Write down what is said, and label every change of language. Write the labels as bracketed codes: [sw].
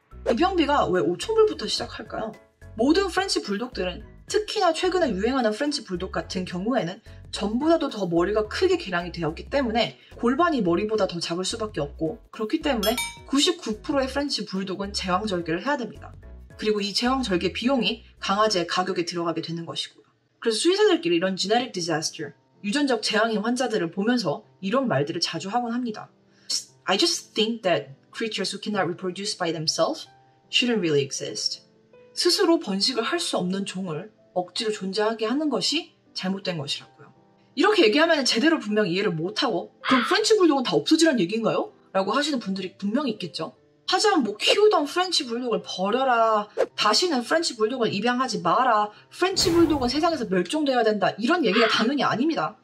[ko] 입양비가 왜 5,000불부터 시작할까요? 모든 프렌치 불독들은 특히나 최근에 유행하는 프렌치 불독 같은 경우에는 전보다도 더 머리가 크게 개량이 되었기 때문에 골반이 머리보다 더 작을 수밖에 없고 그렇기 때문에 99%의 프렌치 불독은 제왕절개를 해야 됩니다. 그리고 이 제왕절개 비용이 강아지의 가격에 들어가게 되는 것이고요. 그래서 수의사들끼리 이런 [en] genetic disaster, [ko] 유전적 재앙인 환자들을 보면서 이런 말들을 자주 하곤 합니다. [en] I just think that creatures who cannot reproduce by themselves shouldn't really exist. [ko] 스스로 번식을 할 수 없는 종을 억지로 존재하게 하는 것이 잘못된 것이라고요. 이렇게 얘기하면 제대로 분명 이해를 못하고 그럼 프렌치 불독은 다 없어지란 얘기인가요? 라고 하시는 분들이 분명히 있겠죠. 하지만 뭐 키우던 프렌치 불독을 버려라, 다시는 프렌치 불독을 입양하지 마라, 프렌치 불독은 세상에서 멸종되어야 된다, 이런 얘기가 당연히 아닙니다.